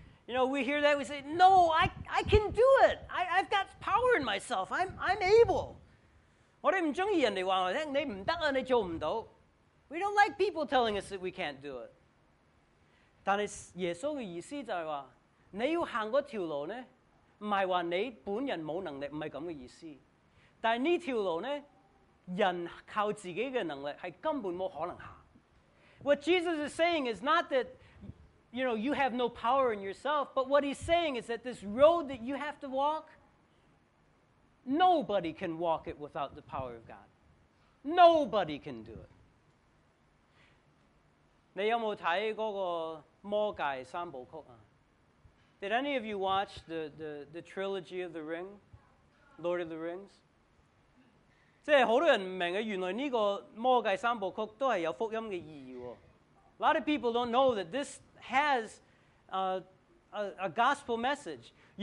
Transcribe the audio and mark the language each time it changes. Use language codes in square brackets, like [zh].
[en] You know, we hear that, we say, no, I can do it. I've got power in myself. I'm able. [zh] 我们不喜欢别人说,你不行啊,你做不到。 [en] We don't like people telling us that we can't do it. [zh] 但是耶稣的意思就是说,你要走那条路呢,不是说你本人没能力,不是这样的意思。但这条路呢,人靠自己的能力是根本没可能走。 [en] What Jesus is saying is not that, you know, you have no power in yourself, but what he's saying is that this road that you have to walk, nobody can walk it without the power of God. Nobody can do it. [zh] 你有没有看那个魔戒三部曲啊? [en] Did any of you watch the trilogy of the Ring? Lord of the Rings? [zh] 即是很多人不明白,原来这个魔戒三部曲都是有福音的意义哦。 [en] A lot of people don't know that this has a gospel message.